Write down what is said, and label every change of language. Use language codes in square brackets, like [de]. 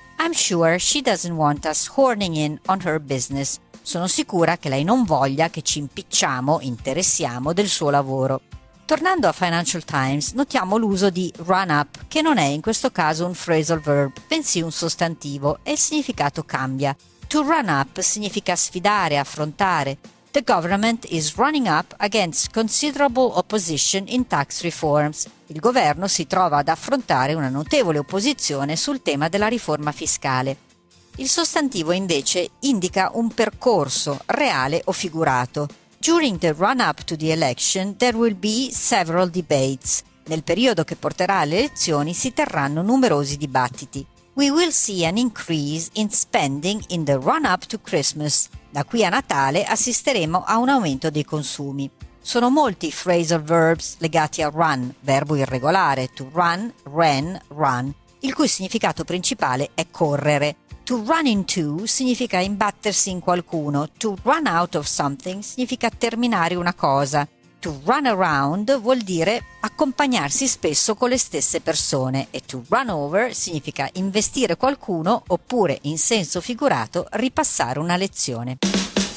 [en] I'm sure she doesn't want us horning in on her business. [it] Sono sicura che lei non voglia che ci impicciamo, interessiamo del suo lavoro. Tornando a Financial Times, notiamo l'uso di run up, che non è in questo caso un phrasal verb, bensì un sostantivo, e il significato cambia. To run up significa sfidare, affrontare. [en] The government is running up against considerable opposition in tax reforms. [it] Il governo si trova ad affrontare una notevole opposizione sul tema della riforma fiscale. Il sostantivo invece indica un percorso, reale o figurato. [en] During the run-up to the election, there will be several debates. [it] Nel periodo che porterà alle elezioni si terranno numerosi dibattiti. [en] We will see an increase in spending in the run-up to Christmas. [it] Da qui a Natale assisteremo a un aumento dei consumi. Sono molti i phrasal verbs legati a run, verbo irregolare, to run, ran, run, il cui significato principale è correre. To run into significa imbattersi in qualcuno, to run out of something significa terminare una cosa, to run around vuol dire accompagnarsi spesso con le stesse persone e to run over significa investire qualcuno oppure, in senso figurato, ripassare una lezione.